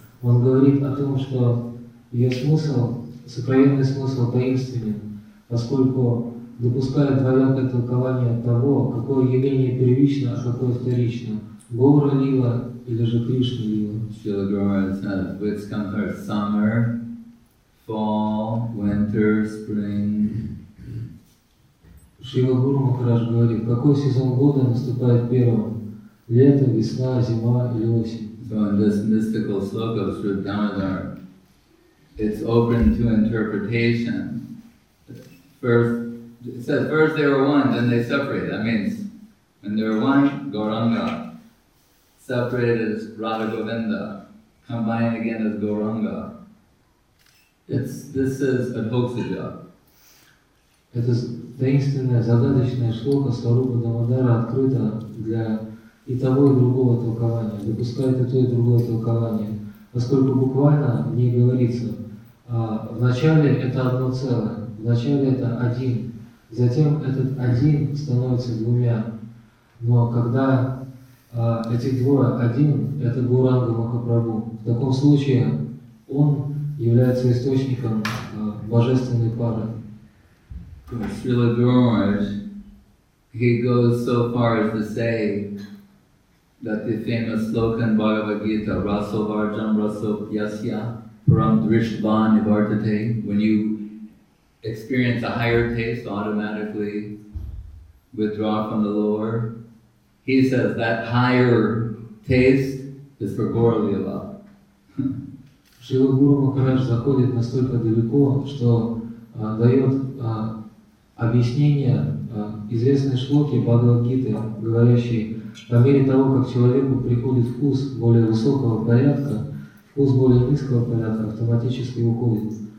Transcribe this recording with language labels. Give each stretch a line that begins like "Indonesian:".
Russian: Он говорит о том, что ее смысл, сокровенный смысл таинственен, поскольку допускает двоякое толкование того, какое явление первично, а какое вторично. Гоура Лила или же Кришна Лила.
English: Шрила Гурумаха says, which comes first, summer, fall, winter, spring.
Russian: Шрила Гурумахарадж говорит, какой сезон года наступает первым? Лето, весна, зима или осень?
English: So in this mystical sloka of Sri Dhanadhar, it's open to interpretation. First, it says, first they were one, then they separated. That means, when they were one, Gauranga, separated as Radha Govinda, combined again as Gauranga. This is Adhoksaja. It is
Russian: таинственная, загадочная шлока Сварупа Дамодара открыта для и того, и другого толкования, допускает и то, и другое толкование. Поскольку буквально в ней говорится, вначале это одно целое, вначале это один, затем этот один становится двумя. Но когда эти двое один, это Гауранга Махапрабху, в таком случае он является источником божественной пары.
English: Srila Gurumaharaj, he goes so far as to say, that the famous sloka in Bhagavad Gita,
Sanskrit: Raso Varjam Raso Pyasya, Param Drishva Nivartate,
English: when you experience a higher taste, automatically withdraw from the lower. He says that higher taste is for Gaura Lila.
Russian: Шрила Гуру Махарадж заходит настолько далеко, что дает объяснение известной шлоки Бхагавад Гиты, говорящей, по мере того, как человеку приходит вкус более высокого порядка, вкус более низкого порядка автоматически уходит.